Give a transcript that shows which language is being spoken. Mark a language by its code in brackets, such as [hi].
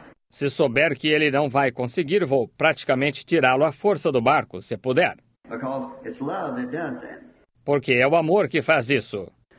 [pt] Se souber que ele não vai conseguir, vou praticamente tirá-lo à força do barco, se puder. [en] Because it's love that does that. [pt] Porque é o amor que faz isso.